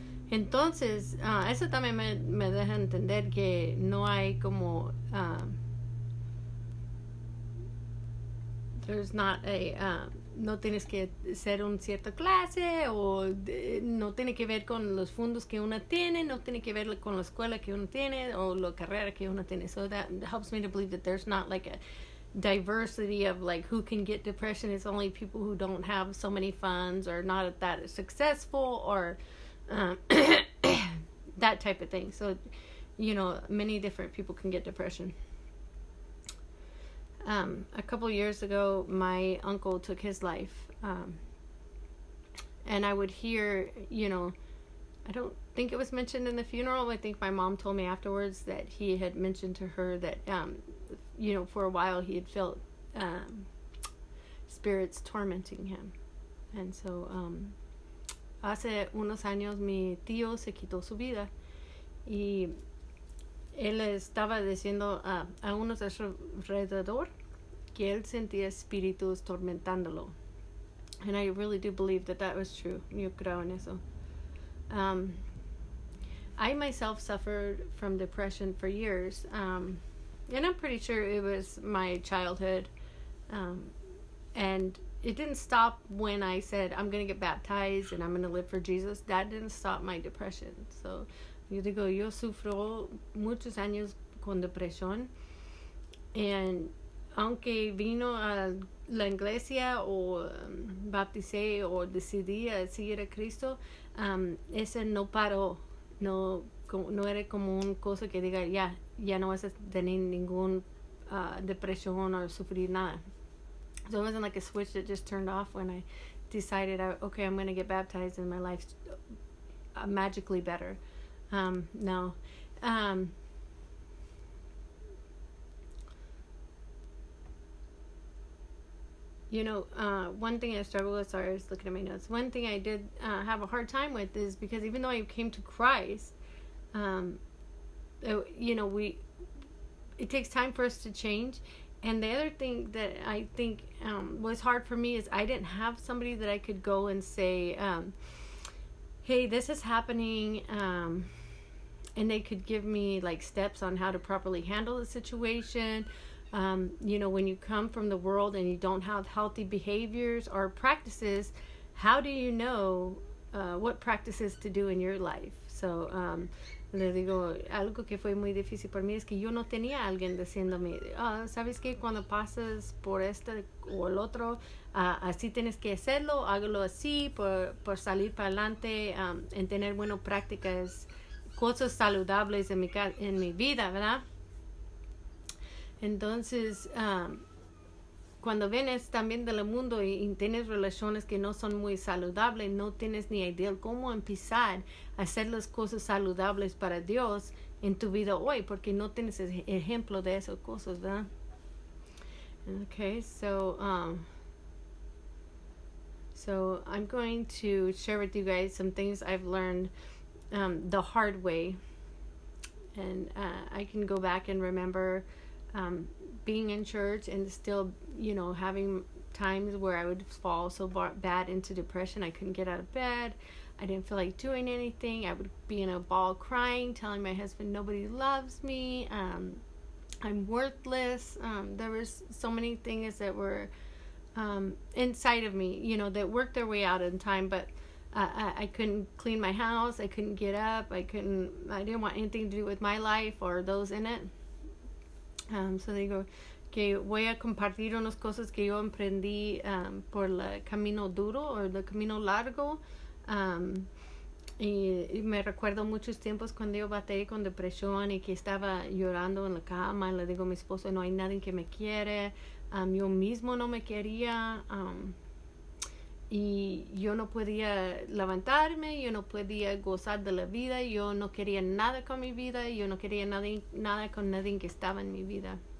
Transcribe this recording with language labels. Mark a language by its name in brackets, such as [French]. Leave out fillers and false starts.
[Spanish] Entonces, eso también me deja entender que no hay como [English] there's not a [Spanish] no tienes que ser un cierta clase o no tiene que ver con los fondos que uno tiene, no tiene que ver con la escuela que uno tiene o la carrera que uno tiene. [English] So that helps me to believe that there's not like a diversity of like who can get depression. It's only people who don't have so many funds or not that successful or that type of thing. So, you know, many different people can get depression. A couple years ago, my uncle took his life. And I would hear, you know, I don't think it was mentioned in the funeral. I think my mom told me afterwards that he had mentioned to her that, you know, for a while he had felt spirits tormenting him. And so, [Spanish] hace unos años mi tío se quitó su vida. Y él estaba diciendo a unos de su alrededor que él sentía espíritus tormentándolo. [English] And I really do believe that that was true. [Spanish] Yo creo en eso. [English] I myself suffered from depression for years. And I'm pretty sure it was my childhood. And it didn't stop when I said, I'm going to get baptized and I'm going to live for Jesus. That didn't stop my depression. [Spanish] So, yo digo, yo sufro muchos años con depresión. And aunque vino a la iglesia o bauticé o decidí a seguir a Cristo, ese no paró, no era como una cosa que diga ya no vas a tener ningún depresión o sufrir nada. [English] So it wasn't like a switch that just turned off when I decided, okay, I'm going to get baptized and my life's magically better. No. You know, one thing I struggle with, sorry, I was looking at my notes. One thing I did have a hard time with is because even though I came to Christ, you know, it takes time for us to change. And the other thing that I think was hard for me is I didn't have somebody that I could go and say, hey, this is happening. And they could give me like steps on how to properly handle the situation. You know, when you come from the world and you don't have healthy behaviors or practices, how do you know what practices to do in your life? [Spanish] So, le digo, algo que fue muy difícil para mí es que yo no tenía alguien diciéndome, oh, ¿sabes qué? Cuando pasas por este o el otro, así tienes que hacerlo, hágalo así por salir para adelante, en tener buenas prácticas, cosas saludables en mi vida, ¿verdad? Entonces, cuando vienes también del mundo y tienes relaciones que no son muy saludables, no tienes ni idea cómo empezar a hacer las cosas saludables para Dios en tu vida hoy, porque no tienes ejemplo de esas cosas, ¿verdad? [English] Okay, so I'm going to share with you guys some things I've learned the hard way, and I can go back and remember. Being in church and still, you know, having times where I would fall so bad into depression, I couldn't get out of bed. I didn't feel like doing anything. I would be in a ball crying, telling my husband nobody loves me. I'm worthless. There was so many things that were inside of me, you know, that worked their way out in time, but I couldn't clean my house. I couldn't get up. I didn't want anything to do with my life or those in it. [Spanish] So digo que voy a compartir unas cosas que yo emprendí por el camino duro o el camino largo Y me recuerdo muchos tiempos cuando yo batallé con depresión y que estaba llorando en la cama y le digo a mi esposo, no hay nadie que me quiere, yo mismo no me quería, y yo no podía levantarme, yo no podía gozar de la vida, yo no quería nada con mi vida, yo no quería nada con nadie que estaba en mi vida.